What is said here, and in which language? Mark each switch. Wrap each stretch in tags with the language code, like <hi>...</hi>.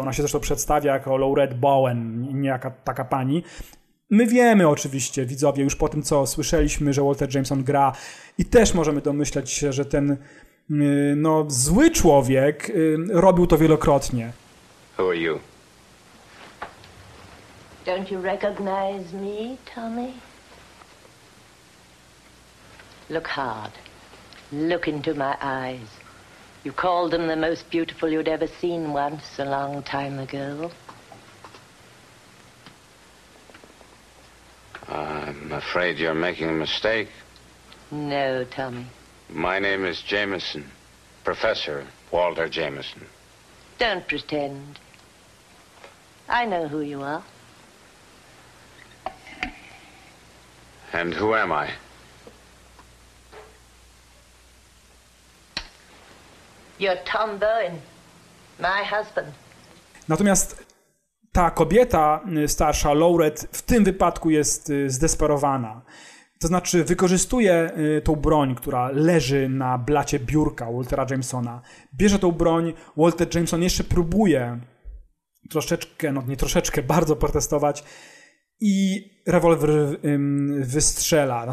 <pl>Ona się zresztą przedstawia jako Laurette Bowen, niejaka taka pani. My wiemy oczywiście, widzowie, już po tym, co słyszeliśmy, że Walter Jameson gra i też możemy domyślać się, że ten no, zły człowiek robił to wielokrotnie.</pl> <en>Who are you? Don't you recognize me, Tommy? Look hard. Look into my eyes. You called them the most beautiful you'd ever seen once a long time ago. I'm afraid you're making a mistake. No, Tommy. My name is Jameson, Professor Walter Jameson. Don't pretend. I know who you are. And who am I? You're Tom Bowen, my husband.</en> <pl>Natomiast ta kobieta starsza, Lauret, w tym wypadku jest zdesperowana. To znaczy wykorzystuje tą broń, która leży na blacie biurka Waltera Jamesona. Bierze tą broń, Walter Jameson jeszcze próbuje troszeczkę, no nie troszeczkę, bardzo protestować i rewolwer wystrzela.</pl>